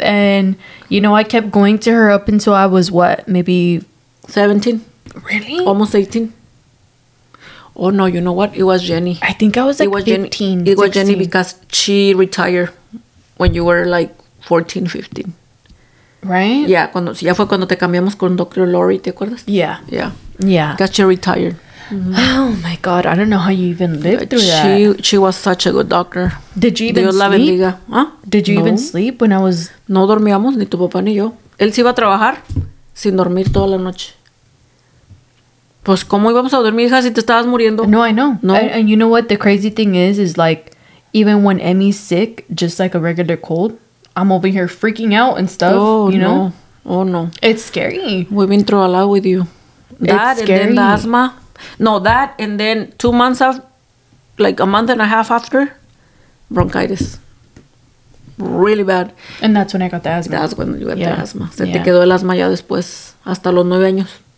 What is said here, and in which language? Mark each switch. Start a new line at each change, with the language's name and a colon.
English: And, you know, I kept going to her up until I was, what, maybe... 17. Really? Almost 18. Oh, no, you know what? It was Jenny. I think I was like 15, 16. It was Jenny because she retired when you were like 14, 15. Right?
Spanish: Yeah, cuando, ya fue cuando te cambiamos con Dr. Lori, ¿te acuerdas?
English: Yeah. Yeah. Yeah. Got you retired. Oh my God, I don't know how you even lived through that. She was such a good doctor. Did you even
Spanish: Dios
English: sleep?
Spanish: La bendiga. ¿Ah?
English: Did you even sleep when I was...
Spanish: No dormíamos, ni tu papá ni yo. Él se iba a trabajar sin dormir toda la noche. Pues, ¿cómo íbamos a dormir, hija, si te estabas muriendo?
English: No, I know. No. And you know what the crazy thing is like, even when Emmy's sick, just like a regular cold, I'm over here freaking out and stuff, oh, you know? No. Oh, no. It's scary. We've been through a lot with you. That it's scary. And then the asthma. No, that and then 2 months of, like a month and a half after, bronchitis. Really bad. And that's when I got the asthma. That's when you got the asthma.
Spanish: Se te quedó el asma ya después, hasta los 9 años.